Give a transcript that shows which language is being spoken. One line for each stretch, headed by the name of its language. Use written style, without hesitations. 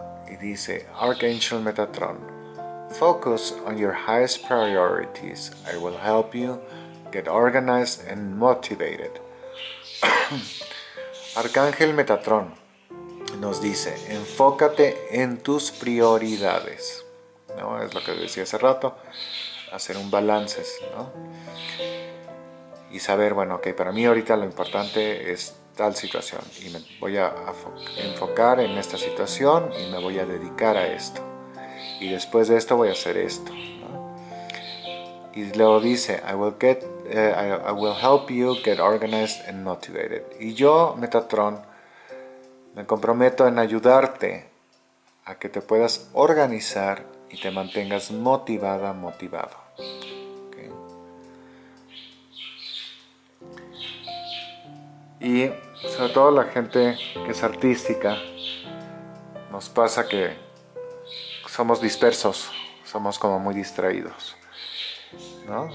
Spanish: Y dice,
English: Archangel Metatron, focus on your highest priorities. I will help you get organized and motivated.
Spanish: Arcángel Metatron nos dice, enfócate en tus prioridades, ¿no? Es lo que decía hace rato, hacer un balance, ¿no? Y saber, bueno, ok, para mí ahorita lo importante es tal situación y me voy a enfocar en esta situación y me voy a dedicar a esto. Y después de esto voy a hacer esto, ¿no? Y luego dice,
English: I will help you get organized and motivated.
Spanish: Y yo, Metatron, me comprometo en ayudarte a que te puedas organizar y te mantengas motivada, motivado. ¿Okay? Y sobre todo la gente que es artística, nos pasa que somos dispersos, somos como muy distraídos, ¿no?